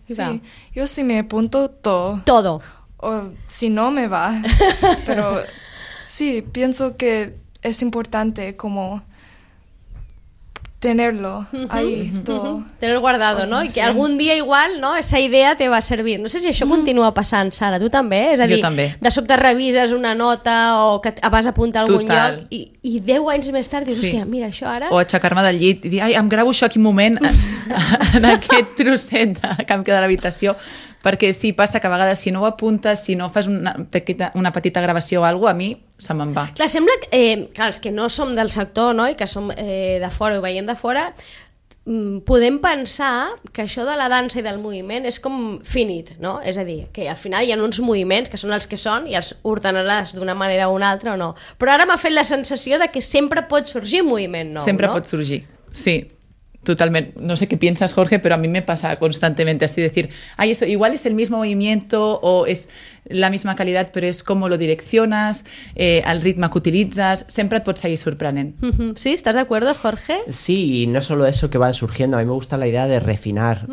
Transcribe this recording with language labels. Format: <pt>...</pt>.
<es>Sí, so. Yo sí me apunto todo. Todo. O si no, me va. Pero sí, pienso que es importante como tenerlo ahí todo. Tener guardado, ¿no? Sí. Y que algún día igual, ¿no? Esa idea te va a servir.</es> <ca>No sé si això continua passant, Sara, tu també, és a dir, jo també. De sobte revises una nota o que vas a apuntar a algun total. Lloc i 10 anys més tard dius, sí. Hòstia, mira, això ara... O aixecar-me del llit i dir, ai, em gravo això aquí un moment en aquest trosset que em queda a l'habitació. Perquè sí, passa que a vegades si no ho apuntes, si no fas una petita gravació o alguna cosa, a mi se me'n va. Clar, sembla que els que no som del sector, no, i que som de fora, ho veiem de fora, podem pensar que això de la dansa i del moviment és com finit, no? És a dir, que al final hi ha uns moviments que són els que són i els ordenaràs d'una manera o una altra o no. Però ara m'ha fet la sensació de que sempre pot sorgir moviment nou. Sempre no? Pot sorgir, sí.</ca> <es>Totalmente, no sé qué piensas, Jorge, pero a mí me pasa constantemente así, decir, ay, esto igual es el mismo movimiento o es la misma calidad, pero es cómo lo direccionas, al ritmo que utilizas, siempre te puedes seguir sorprendiendo. ¿Sí? ¿Estás de acuerdo, Jorge? Sí, y no solo eso que va surgiendo, a mí me gusta la idea de refinar.</es>